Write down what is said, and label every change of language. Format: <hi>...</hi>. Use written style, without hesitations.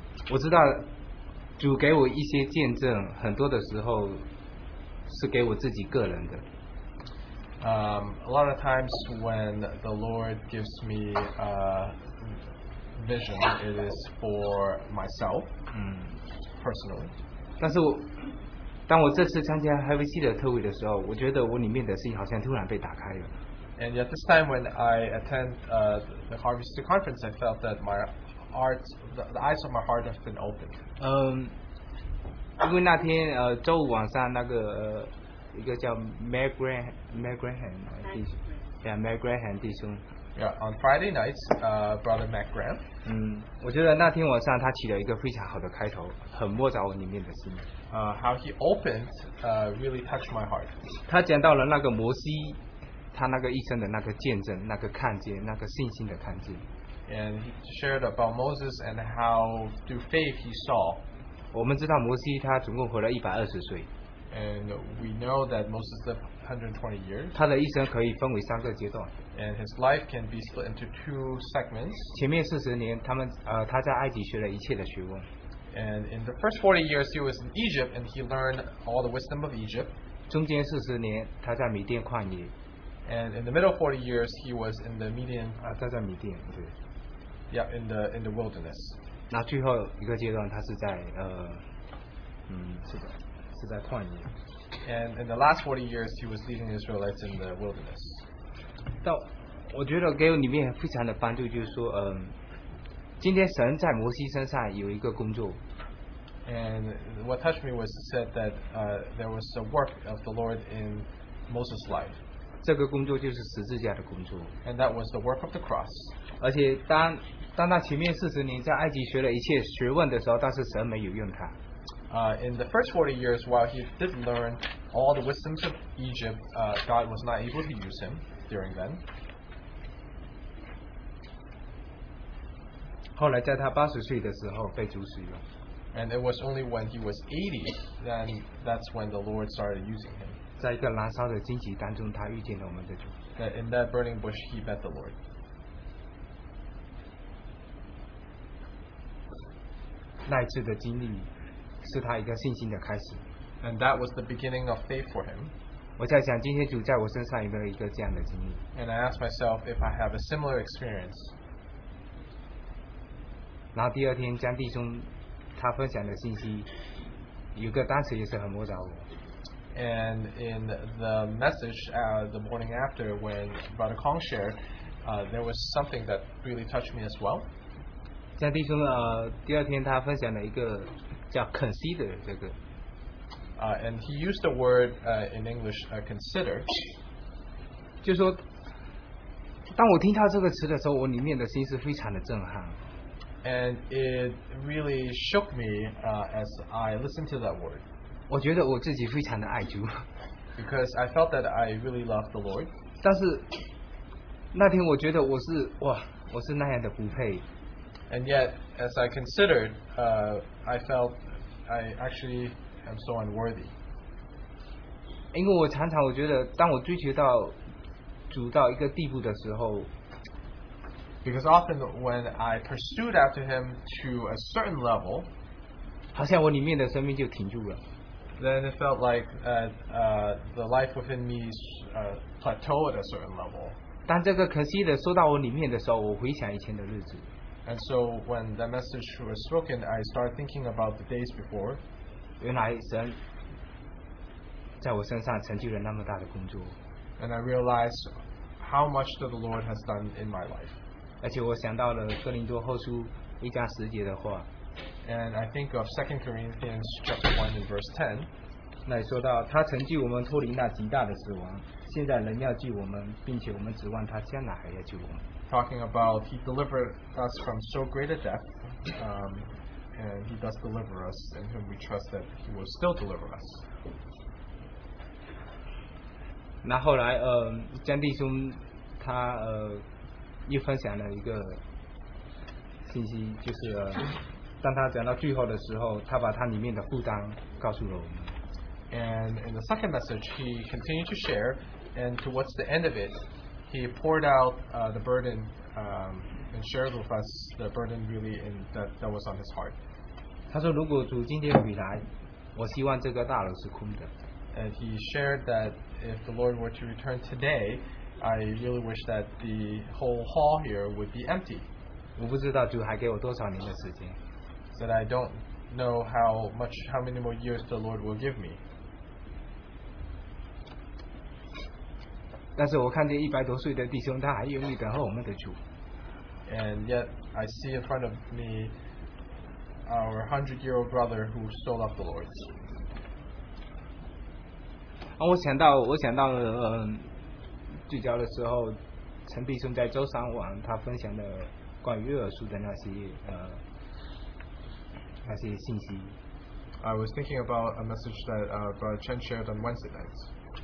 <zh>我知道主给我一些见证，很多的时候是给我自己个人的。</zh> <en>A lot of times when the Lord gives me vision, it is for myself. Personally.</en> <zh>但是当我这次参加 Harvey Cedar 特会的时候，我觉得我里面的心好像突然被打开了。</zh> <en>And yet this time when I attend the Harvey Cedar conference, I felt that my heart, the eyes of my heart have been opened.</en> <zh>因为那天周五晚上那个一个叫 Matt Graham 弟兄，对啊 ，Matt Graham 弟兄。</zh> <en>Yeah, on Friday nights, Brother Matt Graham.</en> <zh>我觉得那天晚上他起了一个非常好的开头，很摸着我里面的心。</zh> <en>How he opened, really touched my heart.</en> <zh>他讲到了那个摩西，他那个一生的那个见证，那个看见，那个信心的看见。</zh> <en>And he shared about Moses and how through faith he saw.</en> <zh>我们知道摩西他总共活了120岁。</zh> <en>And we know that Moses lived 120 years.</en> <zh>他的一生可以分为三个阶段。</zh> <en>And his life can be split into two segments.</en> <zh>前面40年，他在埃及学了一切的学问。</zh> <en>And in the first 40 years, he was in Egypt, and he learned all the wisdom of Egypt.</en> <zh>中间40年，他在米甸旷野。</zh> <en>And in the middle 40 years, he was in the Midian.</en> <zh>他在米甸，对。</zh> <en>Yeah, in the wilderness.</en> <zh>那最后一个阶段，他是在是的。</zh> <en>And in the last 40 years, he was leading Israelites in the wilderness.</en> <zh>但我觉得给我里面非常的帮助，就是说，今天神在摩西身上有一个工作。</zh> <en>And what touched me was said that there was a work of the Lord in Moses' life.</en> <zh>这个工作就是十字架的工作。</zh> <en>And that was the work of the cross.</en> <zh>而且当他前面40年在埃及学了一切学问的时候，但是神没有用他。</zh> <en>In the first 40 years, while he did learn all the wisdoms of Egypt, God was not able to use him during then.</en> <zh>后来在他80岁的时候被主使用。</zh> <en>And it was only when he was 80, then that's when the Lord started using him.</en> <zh>在一个燃烧的荆棘当中，他遇见了我们的主。</zh> <en>In that burning bush, he met the Lord.</en> <zh>那一次的经历是他一个信心的开始。</zh> <en>And that was the beginning of faith for him.</en> <zh>我在想今天主在我身上有没有一个这样的经历。</zh> <en>And I asked myself if I have a similar experience.</en> <zh>然后第二天江弟兄他分享的信息有个当时也是很摸着我。</zh> <en>And in the message the morning after when Brother Kong shared, there was something that really touched me as well.</en> <zh>江弟兄第二天他分享了一个叫 consider 这个。</zh> <en>And he used the word in English consider.</en> <zh>就说当我听到这个词的时候，我里面的心是非常的震撼。</zh> <en>And it really shook me as I listened to that word.</en> <zh>我觉得我自己非常的爱主。</zh> <en>Because I felt that I really loved the Lord.</en> <zh>但是那天我觉得我是那样的不配。</zh> <en>And yet, as I considered, I felt I actually am so unworthy.</en> <zh>因为我常常我觉得，当我追求到主到一个地步的时候</zh> <en>Because often when I pursued after him to a certain level,</en> <zh>好像我里面的生命就停住了。</zh> <en>Then it felt like the life within me plateaued at a certain level.</en> <zh>当这个可惜的说到我里面的时候，我回想以前的日子。</zh> <en>And so when the message was spoken, I started thinking about the days before.</en> <zh>原来神在我身上成就了那么大的工作。</zh> <en>And I realized how much that the Lord has done in my life.</en> <zh>而且我想到了哥林多后书一章十节的话。</zh> <en>And I think of 2 Corinthians chapter 1 and verse 10.</en> <zh>那里说到，他曾救我们脱离那极大的死亡，现在仍要救我们，并且我们指望他将来还要救我们。</zh> <en>Talking about he delivered us from so great a death, and he does deliver us, and whom we trust that he will still deliver us.</en> <zh>那后来，江弟兄他又分享了一个信息，就是。当他讲到最后的时候，他把他里面的负担告诉了我们。</zh> <en>And in the second message, he continued to share, and towards the end of it, he poured out the burden and shared with us the burden really in that was on his heart.</en> <zh>他说：“如果主今天回来，我希望这个大楼是空的。”</zh> <en>And he shared that if the Lord were to return today, I really wish that the whole hall here would be empty.</en> <zh>我不知道主还给我多少年的时间。</zh> <en>That I don't know how many more years the Lord will give me.</en> <zh>但是我看见一百多岁的弟兄，他还愿意等候我们的主。</zh> <en>And yet I see in front of me our 100-year-old brother who still loves the Lord.</en> <zh>我想到聚焦的时候，陈弟兄在周三晚他分享的关于约珥书的那些那些信息。</zh> <en>I was thinking about a message that Brother Chen shared on Wednesday night.</en>